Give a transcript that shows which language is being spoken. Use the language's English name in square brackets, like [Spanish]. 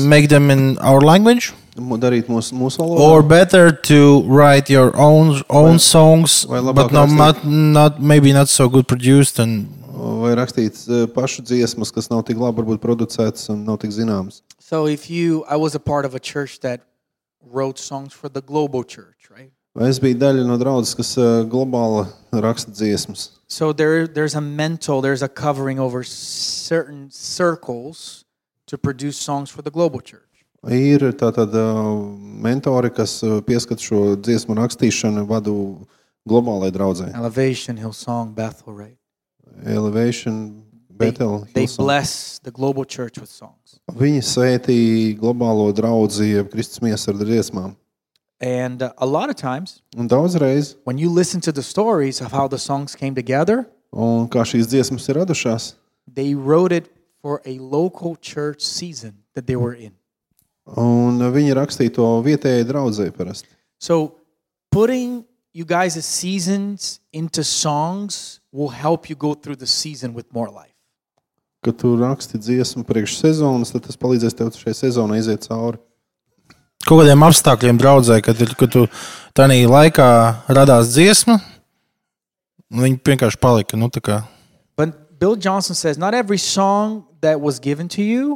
[English] And make them in our language? [Latvian] Darīt mūsu valodā. [English] Or better to write your own songs but not maybe not so good produced and [Latvian] vai rakstīt pašu dziesmas, kas nav tik labi varbūt producētas un nav tik zināmas. [English] So if you I was a part of a church that wrote songs for the global church, right? [Latvian] Vai es biju daļa no draudzes, kas globāli raksta dziesmas. [English] So there's a mantle, there's a covering over certain circles to produce songs for the global church. [Latvian] Ir tātad mentori, kas pieskata šo dziesmu rakstīšanu vadu globālai draudzei. [English] Elevation, Hillsong, Bethel, right? [Latvian] Elevation, Bethel, Hillsong. [English] They bless the global church with songs. [Latvian] Viņi svētī globālo draudzi, kristus miesa ar dziesmām. [English] And a lot of times, [Latvian] un daudzreiz, [English] when you listen to the stories of how the songs came together, [Latvian] un kā šīs dziesmas ir radušās, [English] they wrote it for a local church season that they were in. [Latvian] Un viņi rakstīja to vietējai draudzei parasti. [English] So putting you guys' seasons into songs will help you go through the season with more life. [Latvian] Kad tu raksti dziesmu priekš sezonas, tad tas palīdzēs tev šai sezonai iziet cauri. Kaut kādiem apstākļiem draudzēji, kad tu tajā laikā radās dziesma, viņi vienkārši palika, nu tā kā. [English] But Bill Johnson says, not every song that was given to you,